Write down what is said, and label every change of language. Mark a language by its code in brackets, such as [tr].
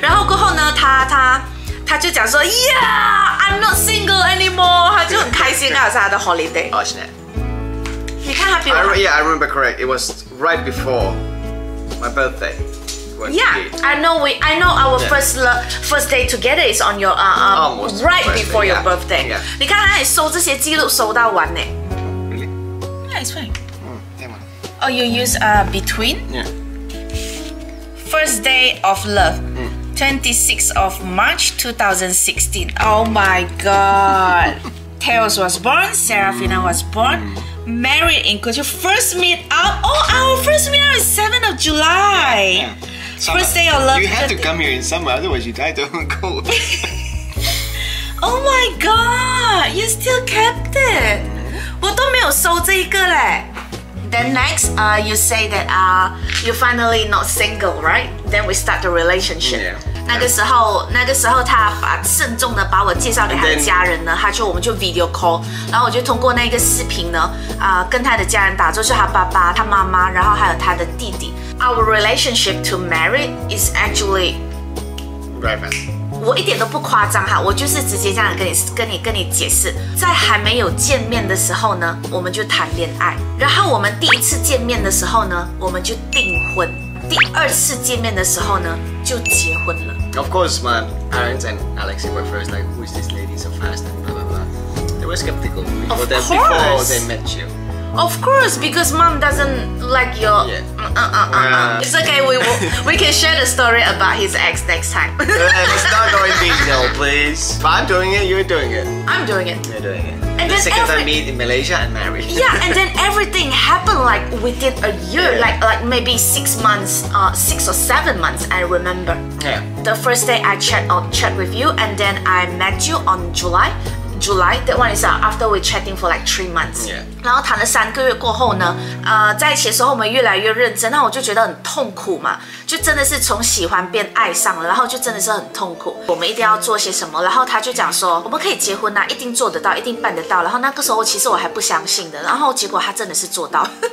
[zh] 然后过后呢，他就讲说 ， [en] Yeah, I'm not single anymore. [zh] 他就很开心啊，是他的 holiday。哦，是的。你看他比我 [en] 好。Yeah, I remember correct. It was right before my birthday. Yeah, I know our first day together is on your almost right before your birthday. Yeah. [zh] 你看他也收这些记录收到完呢。 [en] Really? Yeah, it's fine. [zh] 嗯，对 [en] 吗？哦， you use between. Yeah. First day of love. 26th of March 2016. Oh my god. Tails was born, Serafina was born, married in Kuchu. First meet up. Oh, our first meet up is 7th of July. Yeah, yeah. First day of love. You had to come here in summer, otherwise, you died. Don't go. Oh my god. You still kept it. [zh] 我都没有收这一个嘞。 [en] Then next, you say that you're finally not single, right? Then we start the relationship. Yeah. [zh] 那个时候他把慎重的把我介绍给他的家人呢，他就我们就 video call， 然后我就通过那个视频呢，跟他的家人打就是他爸爸、他妈妈，然后还有他的弟弟。 [en] Our relationship to married is actually very fast. [zh] 我一点都不夸张哈，我就是直接这样跟你解释，在还没有见面的时候呢，我们就谈恋爱，然后我们第一次见面的时候呢，我们就订婚。第二次见面的时候呢，就结婚了。 [en] Of course, my parents and Alexi were first like, who is this lady so fast and blah blah blah. They were skeptical before they met you. Of course, because mom doesn't like your. Yeah. It's okay. We can share the story about his ex next time. Let's not go in detail, please. But I'm doing it. You're doing it. I'm doing it. You're doing it. And the second time meet in Malaysia and married. Yeah, and then everything happened like within a year, like maybe 6 months, 6 or 7 months, I remember. Yeah. The first day I chat with you, and then I met you on July, that one is after we chatting for like 3 months. Yeah. [zh] 然后谈了三个月过后呢，在一起的时候我们越来越认真，那我就觉得很痛苦嘛，就真的是从喜欢变爱上了，然后就真的是很痛苦。我们一定要做些什么，然后他就讲说我们可以结婚啊，一定做得到，一定办得到。然后那个时候其实我还不相信的，然后结果他真的是做到。